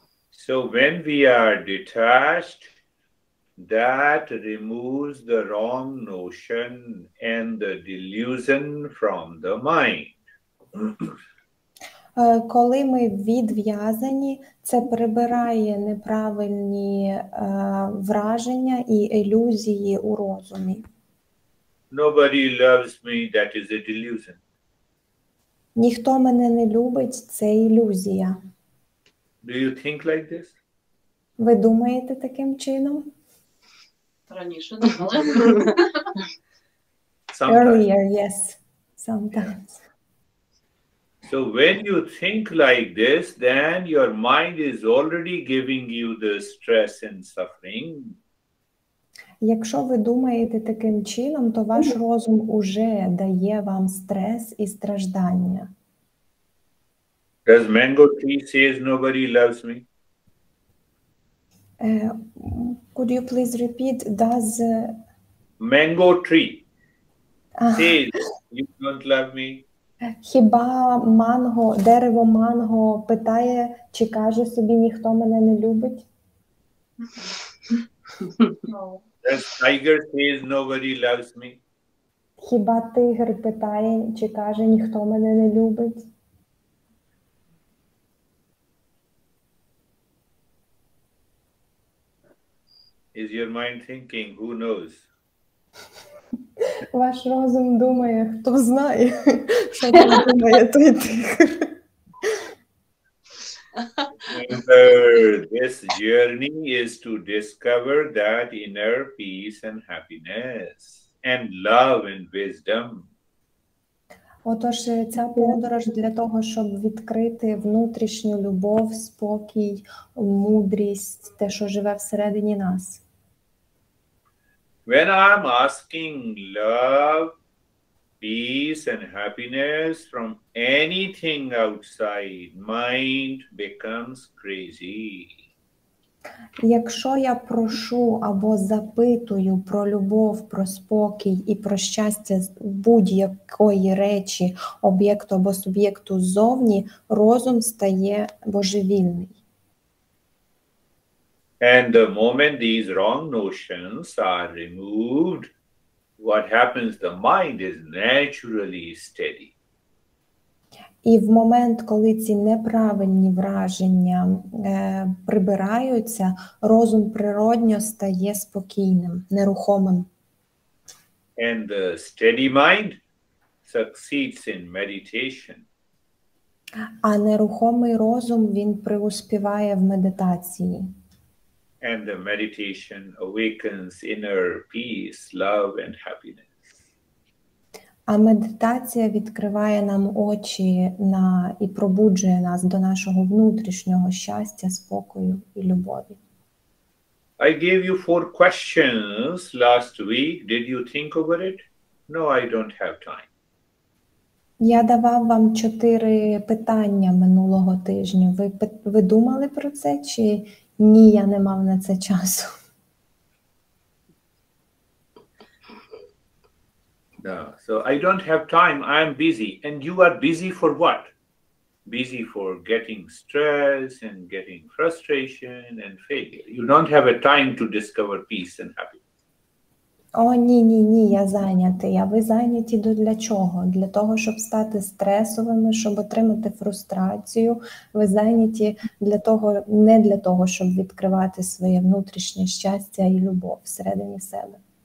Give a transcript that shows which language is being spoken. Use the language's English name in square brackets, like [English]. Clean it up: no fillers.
[English] So when we are detached, that removes the wrong notion and the delusion from the mind. [Ukrainian] Коли ми відв'язані, це прибирає неправильні враження і ілюзії у розумі. [English] Nobody loves me, that is a delusion. [Ukrainian] Ніхто мене не любить, це ілюзія. [English] Do you think like this? [Ukrainian] Ви думаєте таким чином? Раніше думали. [English] Sometimes. Earlier, yes. Sometimes. Yeah. So when you think like this, then your mind is already giving you the stress and suffering. [Ukrainian] Якщо ви думаєте таким чином, то ваш розум уже дає вам стрес і страждання. [English] Does mango tree says nobody loves me? Could you please repeat? Does mango tree says you don't love me? [Ukrainian] Хіба манго, дерево манго питає, чи каже собі, ніхто мене не любить? [English] Does tiger says nobody loves me? [Ukrainian] Хіба тигр питає, чи каже, ніхто мене не любить? [English] Is your mind thinking, who knows? [Ukrainian] Ваш розум думає, хто знає, що там думає той тигр. [English] This journey is to discover that inner peace and happiness and love and wisdom. [Ukrainian] Отож, ця подорож для того, щоб відкрити внутрішню любов, спокій, мудрість, те, що живе всередині нас. [English] When I'm asking love, peace, and happiness from anything outside, mind becomes crazy. [Ukrainian] Якщо я прошу або запитую про любов, про спокій і про щастя з будь-якої речі, об'єкту або суб'єкту ззовні, розум стає божевільний. [English] And the moment these wrong notions are removed, what happens? The mind is naturally steady. [Ukrainian] І в момент, коли ці неправильні враження прибираються, розум природньо стає спокійним, нерухомим. [English] And the steady mind succeeds in meditation. [Ukrainian] А нерухомий розум, він преуспіває в медитації. [English] And the meditation awakens inner peace, love, and happiness. [Ukrainian] А медитація відкриває нам очі на і пробуджує нас до нашого внутрішнього щастя, спокою і любові. [English] I gave you 4 questions last week. Did you think over it? No, I don't have time. [Ukrainian] Я давав вам чотири питання минулого тижня. Ви думали про це чи ні, я не мав на це часу? [English] No, so I don't have time. I'm busy. And you are busy for what? Busy for getting stress and getting frustration and failure. You don't have a time to discover peace and happiness. [Ukrainian] О, ні, я зайнятий. А ви зайняті до для чого? Для того, щоб стати стресовими, щоб отримати фрустрацію. Ви зайняті для того, не для того, щоб відкривати своє внутрішнє щастя і любов всередині себе.